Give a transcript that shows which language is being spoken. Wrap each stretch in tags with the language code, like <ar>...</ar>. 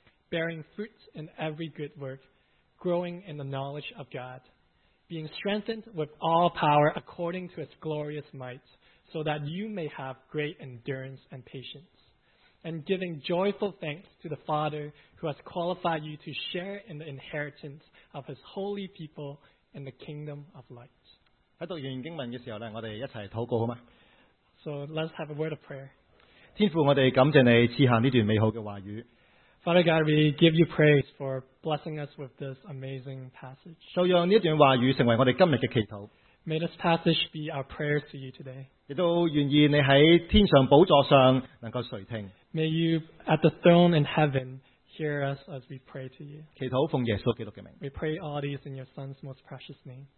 <en>Bearing fruit in every good work, growing in the knowledge of God, being strengthened with all power according to His glorious might, so that you may have great endurance and patience, and giving joyful thanks to the Father who has qualified you to share in the inheritance of His holy people in the kingdom of light.</en> <zh>在读完经文的时候呢, 我们一起祷告, 好吗?</zh> <en>So let's have a word of prayer.</en> <zh>天父, 我们感谢你赐下这段美好的话语。</zh> <en>Father God, we give you praise for blessing us with this amazing passage.</en> <zh>就让这段话语成为我们今天的祈祷。</zh> <en>May this passage be our prayers to you today.</en> <zh>也都愿意你在天上宝座上能够垂听。</zh> <en>May you at the throne in heaven hear us as we pray to you.</en> <zh>祈祷奉耶稣基督的名。</zh> <en>We pray all these in your Son's most precious name.</en>